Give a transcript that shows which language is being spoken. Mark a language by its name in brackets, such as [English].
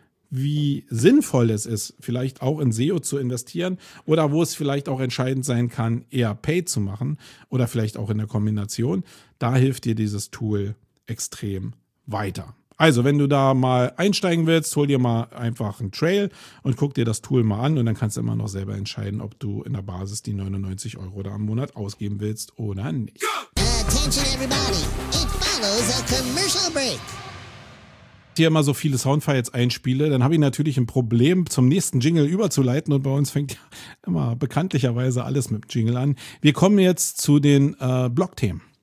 [German] wie sinnvoll es ist, vielleicht auch in SEO zu investieren oder wo es vielleicht auch entscheidend sein kann, eher Paid zu machen oder vielleicht auch in der Kombination, da hilft dir dieses Tool extrem weiter. Also, wenn du da mal einsteigen willst, hol dir mal einfach einen Trail und guck dir das Tool mal an und dann kannst du immer noch selber entscheiden, ob du in der Basis die 99 Euro da am Monat ausgeben willst oder nicht. [English] Attention everybody, it follows a commercial break. [German] Hier immer so viele Soundfiles einspiele, dann habe ich natürlich ein Problem, zum nächsten Jingle überzuleiten und bei uns fängt ja immer bekanntlicherweise alles mit Jingle an. Wir kommen jetzt zu den Blog-Themen.